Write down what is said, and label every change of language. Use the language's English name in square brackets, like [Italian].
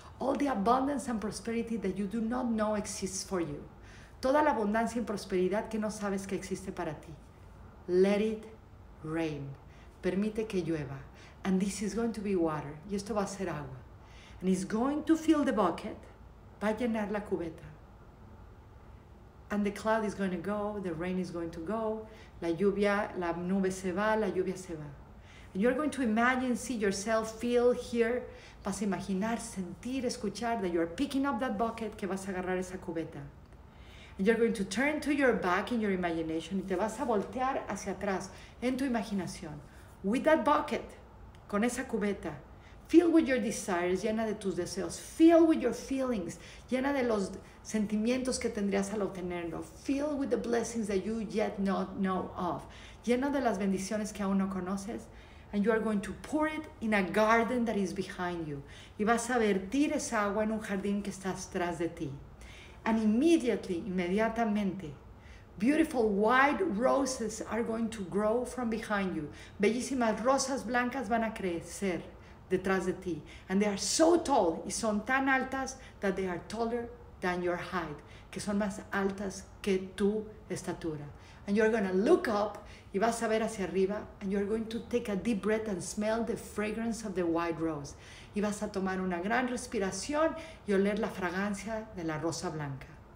[English] All the abundance and prosperity that you do not know exists for you. [Spanish] Toda la abundancia y prosperidad que no sabes que existe para ti. [English] Let it rain. [Spanish] Permite que llueva. [English] And this is going to be water. [Spanish] Y esto va a ser agua. [English] And it's going to fill the bucket. [Spanish] Va a llenar la cubeta. [English] And the cloud is going to go. The rain is going to go. [Spanish] La lluvia, la nube se va, la lluvia se va. [English] And you're going to imagine, see yourself, feel, hear. [Spanish] Vas a imaginar, sentir, escuchar [English] that you're picking up that bucket, [Spanish] que vas a agarrar esa cubeta. [English] And you're going to turn to your back in your imagination [Spanish] y te vas a voltear hacia atrás en tu imaginación. [English] With that bucket, [Spanish] con esa cubeta, [English] fill with your desires, [Spanish] llena de tus deseos. [English] Fill with your feelings, [Spanish] llena de los sentimientos que tendrías al obtenerlo. [English] Fill with the blessings that you yet not know of. [Spanish] Llena de las bendiciones que aún no conoces. [English] And you are going to pour it in a garden that is behind you. [Spanish] Y vas a vertir esa agua en un jardín que está atrás de ti. [English] And immediately, [Spanish] inmediatamente, [English] beautiful white roses are going to grow from behind you. [Spanish] Bellísimas rosas blancas van a crecer detrás de ti. [English] And they are so tall, [Spanish] y son tan altas, [English] that they are taller than your height, [Spanish] que son más altas que tu estatura. [English] And you're going to look up, [Spanish] y vas a ver hacia arriba, [English] and you're going to take a deep breath and smell the fragrance of the white rose. [Spanish] Y vas a tomar una gran respiración y oler la fragancia de la rosa blanca.